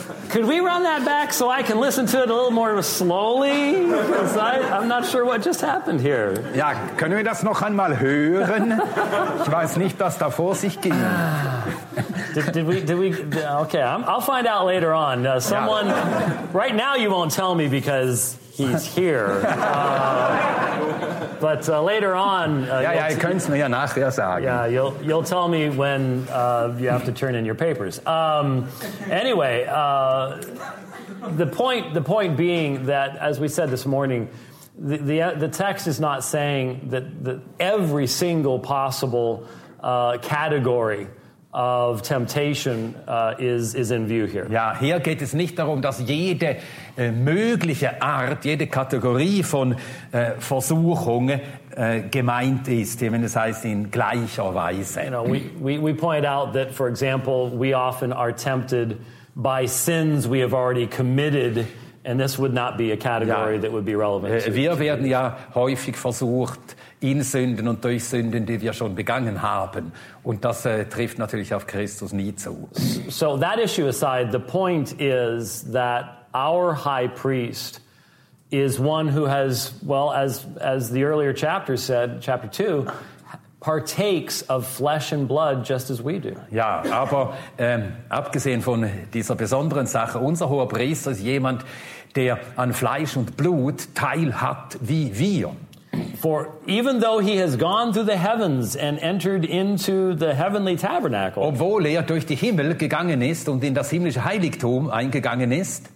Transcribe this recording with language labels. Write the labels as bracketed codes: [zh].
[en] Could we run that back so I can listen to it a little more slowly? Because I'm not sure what just happened here. [de] Ja, können wir das noch einmal hören? Ich weiß nicht, was da vor sich ging. [en] Did we? Okay, I'll find out later on. Someone, ja. Right now you won't tell me because he's here. But later on, [de] ihr könnt's mir ja nachher sagen. [en] Yeah, you'll tell me when you have to turn in your papers. Anyway, the point being that, as we said this morning, the text is not saying that every single possible category of temptation is in view here. [de] Ja, hier geht es nicht darum, dass jede mögliche Art, jede Kategorie von Versuchung gemeint ist, wenn es heißt in gleicher Weise. [en] You know, we point out that, for example, we often are tempted by sins we have already committed And this would not be a category that would be relevant. [de] Wir werden ja häufig versucht, in Sünden und durch Sünden, die wir schon begangen haben. Und das trifft natürlich auf Christus nie zu. [en] So that issue aside, the point is that our high priest is one who has, well, as the earlier chapter said, chapter 2, partakes of flesh and blood just as we do. [de] Ja, aber abgesehen von dieser besonderen Sache, unser hoher Priester ist jemand, der an Fleisch und Blut teilhat wie wir. [en] For even though he has gone through the heavens and entered into the heavenly tabernacle, [de] obwohl er durch die Himmel gegangen ist und in das himmlische Heiligtum eingegangen ist,